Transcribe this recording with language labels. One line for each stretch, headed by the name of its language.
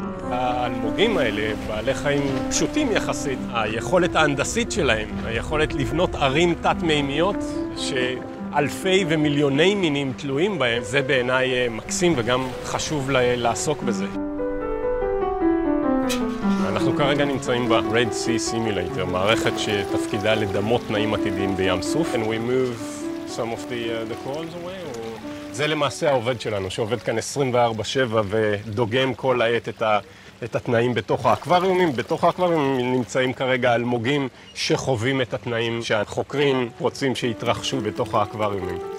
Hebrew: האלמוגים האלה, בעלי חיים פשוטים יחסית, היכולת ההנדסית שלהם, היכולת לבנות ערים תת-מימיות שאלפי ומיליוני מינים תלויים בהם, זה בעיניי מקסים וגם חשוב לעסוק בזה. אנחנו כרגע נמצאים ב-Red Sea Simulator, מערכת שתפקידה לדמות תנאים עתידיים בים סוף.
English: And we move some of the corals away.
Hebrew: זה למעשה העובד שלנו, שעובד כאן 24/7 ודוגם כל העת את התנאים בתוך האקווריומים. בתוך האקווריומים נמצאים כרגע אלמוגים שחווים את התנאים שהחוקרים רוצים שיתרחשו בתוך האקווריומים.